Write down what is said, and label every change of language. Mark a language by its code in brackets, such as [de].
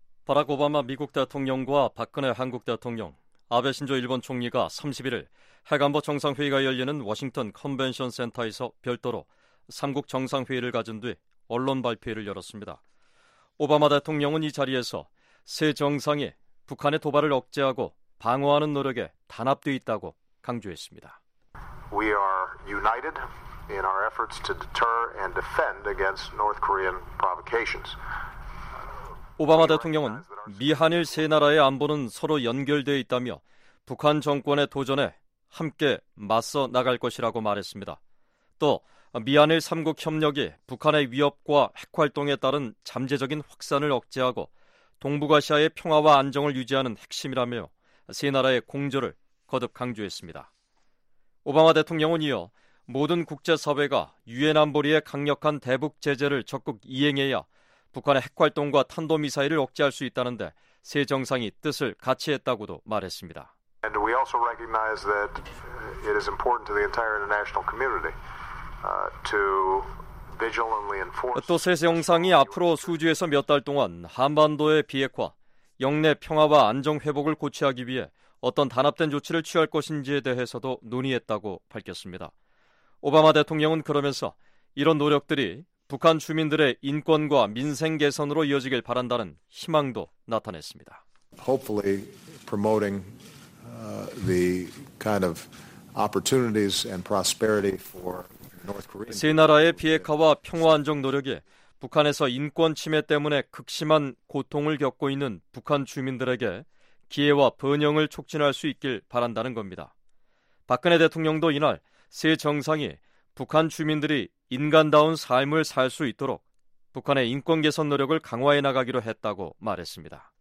[ko] 바락 오바마 미국 대통령과 박근혜 한국 대통령, 아베 신조 일본 총리가 31일 핵안보 정상회의가 열리는 워싱턴 컨벤션 센터에서 별도로 3국 정상회의를 가진 뒤 언론 발표회를 열었습니다. 오바마 대통령은 이 자리에서 세 정상이 북한의 도발을 억제하고 방어하는 노력에 단합되어 있다고 강조했습니다. [en] We are united in our efforts to deter and defend against North Korean provocations. [ko] 오바마 대통령은 미한일 세 나라의 안보는 서로 연결되어 있다며 북한 정권의 도전에 함께 맞서 나갈 것이라고 말했습니다. 또 미한일 3국 협력이 북한의 위협과 핵활동에 따른 잠재적인 확산을 억제하고 동북아시아의 평화와 안정을 유지하는 핵심이라며 세 나라의 공조를 거듭 강조했습니다. 오바마 대통령은 이어 모든 국제사회가 유엔 안보리의 강력한 대북 제재를 적극 이행해야 북한의 핵활동과 탄도미사일을 억제할 수 있다는데 세 정상이 뜻을 같이 했다고도 말했습니다. [en] And we also recognize that it is important to the entire international community to vigilantly enforce. [ko] 또 세 정상이 앞으로 수주에서 몇 달 동안 한반도의 비핵화, 영내 평화와 안정 회복을 고취하기 위해 어떤 단합된 조치를 취할 것인지에 대해서도 논의했다고 밝혔습니다. 오바마 대통령은 그러면서 이런 노력들이 북한 주민들의 인권과 민생 개선으로 이어지길 바란다는 희망도 나타냈습니다. [en] Hopefully promoting the kind of opportunities and prosperity for North Korea. [ko] 세 나라의 비핵화와 평화 안정 노력이 북한에서 인권 침해 때문에 극심한 고통을 겪고 있는 북한 주민들에게 기회와 번영을 촉진할 수 있길 바란다는 겁니다. 박근혜 대통령도 이날 세 정상이 북한 주민들이 인간다운 삶을 살 수 있도록 북한의 인권 개선 노력을 강화해 나가기로 했다고 말했습니다.